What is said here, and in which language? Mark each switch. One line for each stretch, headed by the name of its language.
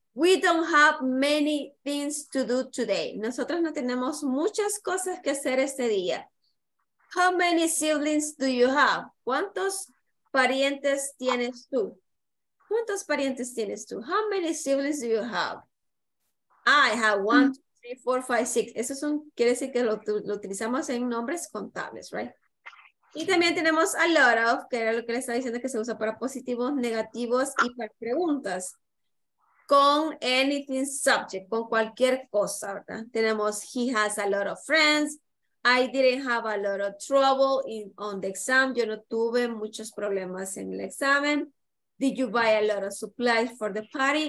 English: We don't have many things to do today.
Spanish: Nosotros no tenemos muchas cosas que hacer este día.
English: How many siblings do you have?
Spanish: ¿Cuántos parientes tienes tú? ¿Cuántos parientes tienes tú?
English: How many siblings do you have? I have 1, 2, 3, 4, 5, 6.
Spanish: Eso son, quiere decir que lo utilizamos en nombres contables, right? Y también tenemos a lot of, que era lo que le estaba diciendo, que se usa para positivos, negativos y para preguntas. Con anything subject, con cualquier cosa, ¿verdad? Tenemos,
English: he has a lot of friends. I didn't have a lot of trouble on the exam.
Spanish: Yo no tuve muchos problemas en el examen.
English: Did you buy a lot of supplies for the party?